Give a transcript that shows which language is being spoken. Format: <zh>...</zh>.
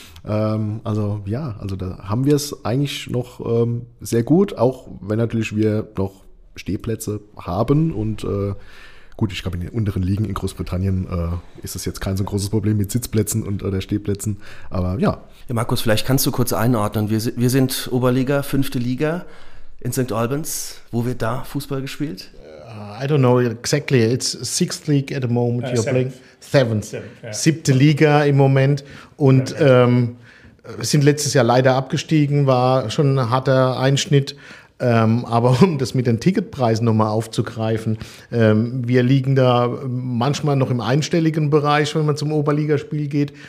<de>Also da haben wir es eigentlich noch sehr gut, auch wenn natürlich wir noch Stehplätze haben und gut, ich glaube in den unteren Ligen in Großbritannien ist es jetzt kein so großes Problem mit Sitzplätzen und oder Stehplätzen, aber ja. Ja, Markus, vielleicht kannst du kurz einordnen, wir sind Oberliga, 5. Liga in St. Albans, wo wird da Fußball gespielt?</de> <en>I don't know exactly, it's 6th league at the moment, you're playing 7th, 7.</en> <de>Liga im Moment und wir sind letztes Jahr leider abgestiegen, war schon ein harter Einschnitt. Aber um das mit den Ticketpreisen nochmal aufzugreifen, wir liegen da manchmal noch im einstelligen Bereich, wenn man zum Oberligaspiel geht.</de>